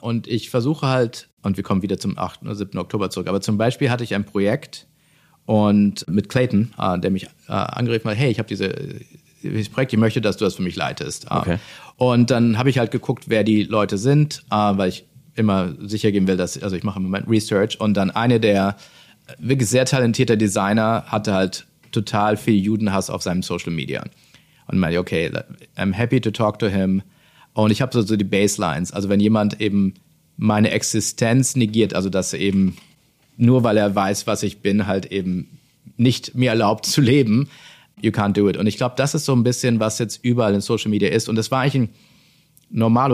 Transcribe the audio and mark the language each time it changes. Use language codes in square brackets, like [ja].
[de] Und ich versuche halt, und wir kommen wieder zum 8. oder 7. Oktober zurück, aber zum Beispiel hatte ich ein Projekt und mit Clayton, der mich angerufen hat, hey, ich habe dieses Projekt, ich möchte, dass du das für mich leitest. Okay. Und dann habe ich halt geguckt, wer die Leute sind, weil ich immer sicher gehen will, dass, also ich mache im Moment Research. Und dann eine der wirklich sehr talentierte Designer hatte halt total viel Judenhass auf seinem Social Media. Und meinte, [en] okay, I'm happy to talk to him. [de] Und ich habe so die Baselines. Also wenn jemand eben meine Existenz negiert, also dass er eben nur weil er weiß, was ich bin, halt eben nicht mir erlaubt zu leben, [en] you can't do it. [de] Und ich glaube, das ist so ein bisschen, was jetzt überall in Social Media ist. Und das war eigentlich ein Normalo.